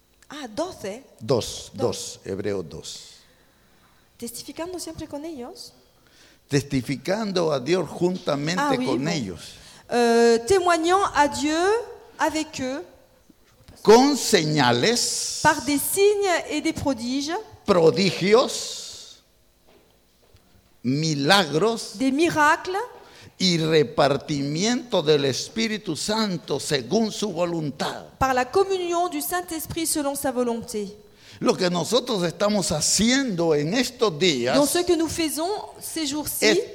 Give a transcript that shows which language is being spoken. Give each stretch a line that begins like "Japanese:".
Spanish: Ah, 12. 2, Hebreos 2. Testificando siempre con ellos. Testificando a Dios juntamente
French: ah, oui,
Spanish: con bon. Ellos.
French: Témoignant à Dieu avec eux.
Spanish: Con señales.
French: Par des signes et des prodiges.
Spanish: Prodigios. Milagros.
French: Des miracles.
Spanish: Y repartimiento del Espíritu Santo según su voluntad.
French: Par la communion du Saint-Esprit selon sa volonté.
Spanish: Lo que nosotros estamos haciendo en estos días.
French: Donc ce que nous faisons ces jours-ci.